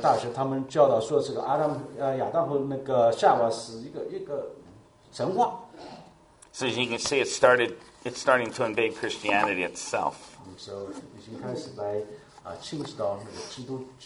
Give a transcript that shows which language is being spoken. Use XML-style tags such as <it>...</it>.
<zh>大学他们教导说这个亚当亚当和那个夏娃是一个神话。</zh> <en>So as you can see, it's starting to invade Christianity itself.</en> <zh>So 已经开始来侵蚀到那个基督。</zh>